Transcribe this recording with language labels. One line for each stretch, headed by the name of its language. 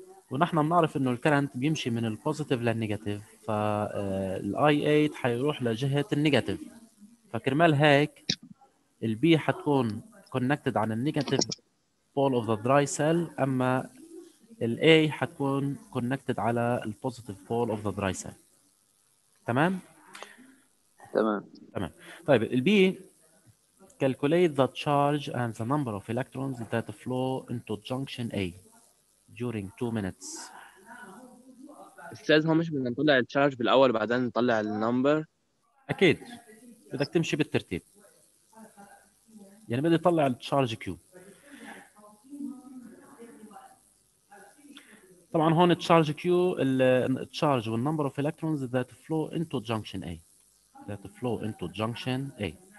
Arabic: ونحن بنعرف انه الكرنت بيمشي من البوزيتيف للنيجاتيف, ف الاي 8 حيروح لجهه النيجاتيف. فكرمال هيك ال B حتكون connected عن النيجاتيف
English: pole of the dry cell,
Arabic: اما ال A حتكون connected على البوزيتيف
English: pole of the dry cell.
Arabic: تمام؟ تمام. تمام. طيب ال
English: B calculate the charge and the number of electrons that flow into junction A during 2 minutes.
Arabic: استاذ هو مش بدنا نطلع الشارج بالاول وبعدين نطلع النمبر؟ اكيد بدك تمشي بالترتيب, يعني بدي اطلع الشارج كيو. طبعا هون
English: الشارج كيو التشارج والنمبر of electrons that flow into junction A, that flow into junction A.